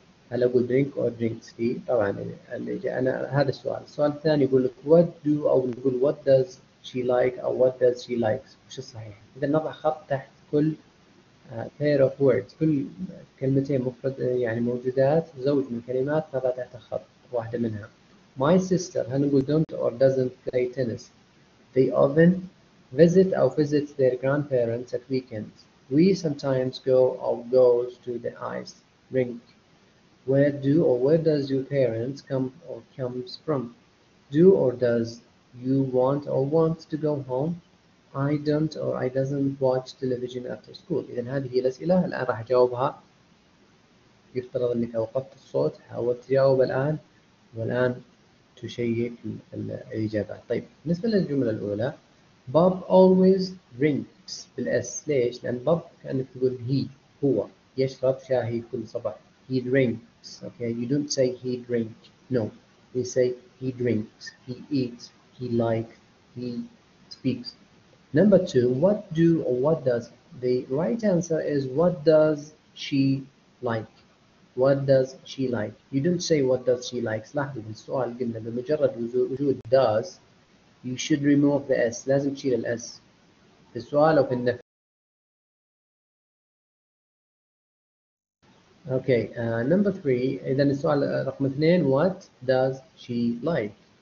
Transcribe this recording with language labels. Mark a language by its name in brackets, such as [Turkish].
[Arabic] هل أقول [English] drink or drinks fee؟ [Arabic] طبعا أنا هذا السؤال. السؤال الثاني يقول لك what do أو نقول [English] what does she like [Arabic] أو [English] what does she likes؟ [Arabic] وش الصحيح؟ إذا نضع خط تحت كل [English] pair of words، [Arabic] كل كلمتين مفرد يعني موجودات زوج من كلمات نضع تحت خط واحدة منها. [English] My sister، [Arabic] هل نقول [English] don't or doesn't play tennis؟ They often visit or visits their grandparents at weekends. We sometimes go or goes to the ice rink. Where do or where does your parents come or comes from? Do or does you want or wants to go home? I don't or I doesn't watch television after school. [Arabic] إذا هذه هي الأسئلة، الآن راح أجاوبها. يفترض أنك أوقفت الصوت، حاولت تجاوب الآن، والآن تشيك الإجابات. [English] طيب، بالنسبة للجملة الأولى، Bob always drinks [Arabic] بالإس. ليش؟ لأن Bob كأنك تقول he، هو يشرب شاهي كل صباح. [English] He drinks. Okay, you don't say he drink. No, we say he drinks. He eats. He likes. He speaks. Number two, what do or what does? The right answer is what does she like? What does she like? You don't say what does she like. [Arabic] لاحظوا في السؤال قلنا بمجرد وجود does, [English] you should remove the s. [Arabic] لازم تشيل ال s في السؤال أو في النفي. [English] Okay, number three. [Arabic] إذا السؤال رقم اثنين, [English] what does she like?